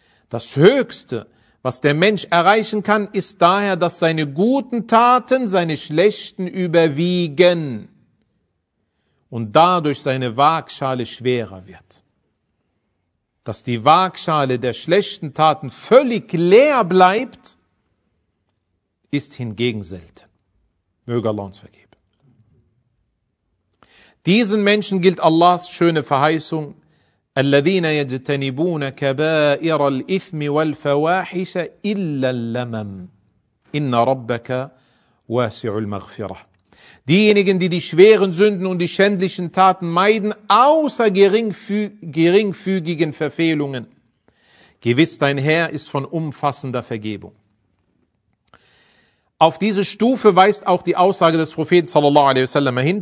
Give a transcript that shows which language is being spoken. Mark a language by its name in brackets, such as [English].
[German] Das Höchste, was der Mensch erreichen kann, ist daher, dass seine guten Taten seine schlechten überwiegen und dadurch seine Waagschale schwerer wird. Dass die Waagschale der schlechten Taten völlig leer bleibt, ist hingegen selten. Möge Allah uns vergeben. Diesen Menschen gilt Allahs schöne Verheißung, [Arabic] الذين يجتنبون كبائر الإثم والفواحش إلا اللمم إن ربك واسع المغفرة. [German] Diejenigen, die die schweren Sünden und die schändlichen Taten meiden, außer geringfügigen Verfehlungen. Gewiss, dein Herr ist von umfassender Vergebung. Auf diese Stufe weist auch die Aussage des Propheten sallallahu alaihi wasallam hin.